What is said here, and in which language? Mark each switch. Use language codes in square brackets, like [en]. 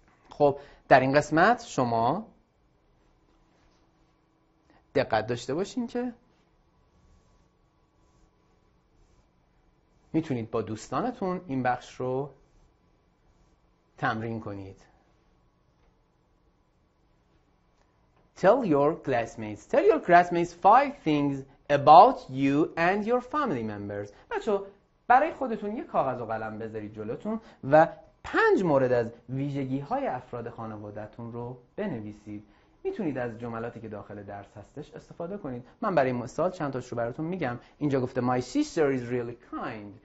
[fa] خب در این قسمت شما دقت داشته باشین که میتونید با دوستانتون این بخش رو تمرین کنید. [en] Tell your classmates 5 things about you and your family members. [fa] بچه برای خودتون یه کاغذ و قلم بذارید جلوتون و 5 مورد از ویژگی های افراد خانوادتون رو بنویسید. میتونید از جملاتی که داخل درس هستش استفاده کنید. من برای مثال چند تاش رو براتون میگم. اینجا گفته [en] My sister is really kind.